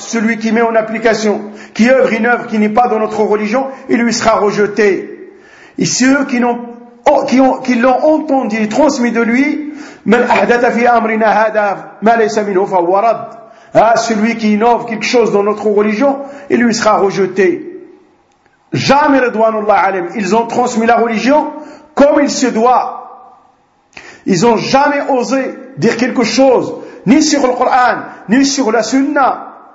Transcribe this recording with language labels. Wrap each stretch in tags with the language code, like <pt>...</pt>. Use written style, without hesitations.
<fr>Celui qui met en application, qui œuvre une œuvre qui n'est pas dans notre religion, il lui sera rejeté. Et ceux qui l'ont entendu et transmis de lui,</fr> <ar>من احدث في امرنا هذا ما ليس منه فهو رد.</ar> <fr>Celui qui innove quelque chose dans notre religion, il lui sera rejeté. Jamais, redouanullah alayhim, ils ont transmis la religion comme il se doit. Ils ont jamais osé dire quelque chose ni sur le Coran, ni sur la Sunna.</fr>